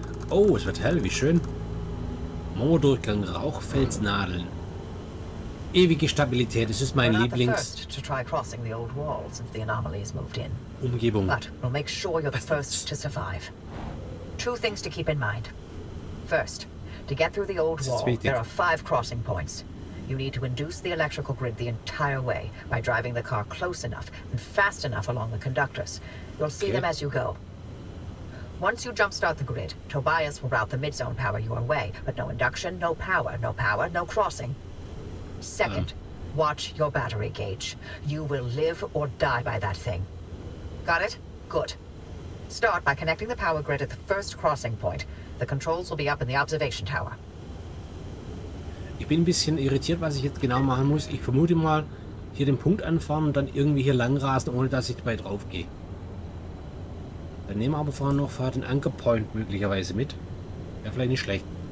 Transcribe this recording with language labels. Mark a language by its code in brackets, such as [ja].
[de] Oh, es wird hell, wie schön. Mordurchgang, Rauchfelsnadeln. Ewige Stabilität, es ist mein Lieblings. Umgebung. [en] But we'll make sure you're the first to survive. Two things to keep in mind. First, to get through the old wall, there are 5 crossing points. You need to induce the electrical grid the entire way by driving the car close enough and fast enough along the conductors. You'll see them as you go. Once you jumpstart the grid, Tobias will route the midzone power your way, but no induction, no power, no power, no crossing. Second, watch your battery gauge. You will live or die by that thing. Got it? Good. Start by connecting the power grid at the first crossing point. The controls will be up in the observation tower. [de] Ich bin ein bisschen irritiert, was ich jetzt genau machen muss. Ich vermute mal, hier den Punkt anfahren und dann irgendwie hier lang rasen, ohne dass ich dabei drauf gehe. Dann nehmen wir aber vorher noch den Anchor Point möglicherweise mit. Wäre vielleicht nicht schlecht.